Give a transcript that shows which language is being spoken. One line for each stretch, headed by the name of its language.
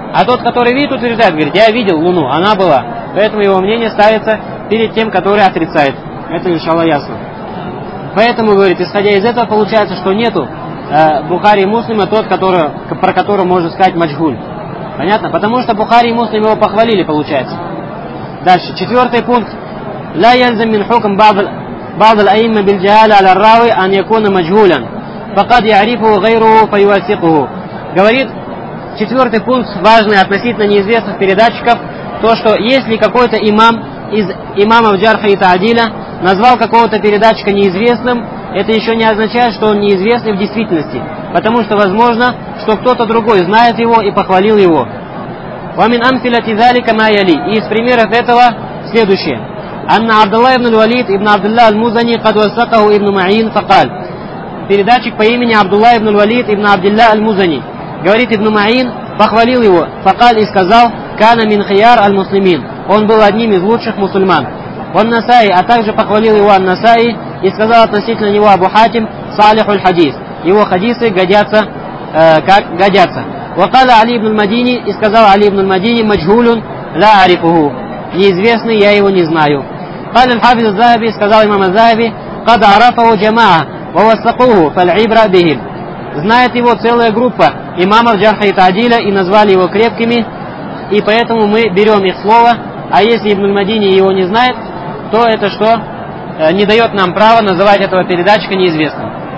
Russian: А тот, который видит, утверждает, говорит, я видел луну, она была. Поэтому его мнение ставится перед тем, который отрицает. Это, иншаллах, ясно. Поэтому, говорит, исходя из этого, получается, что нету Бухари и Муслима тот, про которого можно сказать маджхуль. Понятно? Потому что Бухари и Муслим его похвалили, получается. Дальше, четвертый пункт.
Arabic: لا يلزم من حكم بعض الأئمة بالجهالة على الراوي أن يكون مجهولاً. فقد يعرفه غيره فيوثقه.
Russian: Говорит четвертый пункт, важный относительно неизвестных передатчиков, то, что если какой-то имам из имамов Джарха и Таадиля назвал какого-то передатчика неизвестным, это еще не означает, что он неизвестный в действительности, потому что возможно, что кто-то другой знает его и похвалил его.
Arabic: وَمِنْ أَمْثِلَةِ ذَلِكَ مَا يَلِي.
Russian: И из примеров этого следующее.
Arabic: أَنَّ عَبْدَ اللَّهِ بْنُ الْوَلِيدِ إِبْنَ عَبْدِ اللَّهِ الْمُزَنِي قَدْ وَسَّقَهُ إِبْنُ مَعِينَ فَقَالَ.
Russian: Передатчик по имени Абдуллах ибн Валид ибн Абдуллах аль-Музани, говорит ибн Маин, похвалил его, فقال, и сказал,
Arabic: كَانَ مِنْ خِيَارِ الْمُسْلِمِينَ,
Russian: он был одним из лучших мусульман. وَالنَّسَائِي, а также похвалил его ан-Насаи, и сказал относительно него Абу Хатим,
Arabic: صَالِحُ الْحَدِيثِ,
Russian: его хадисы годятся, как годятся.
Arabic: وقال علي بن المديني,
Russian: и сказал
Arabic: علي بن المديني, مجهول لا أعرفه,
Russian: неизвестный, я его не знаю.
Arabic: قال الحافظ الذهبي,
Russian: сказал имам الذهبي,
Arabic: قد عرفه جماعة ووثقوه فالعبرة بهم,
Russian: знает его целая группа имамов Джарха и Таадиля и назвали его крепкими, и поэтому мы берем их слово. А если ибн المديني его не знает, то это что? Не дает нам права называть этого передатчика неизвестным.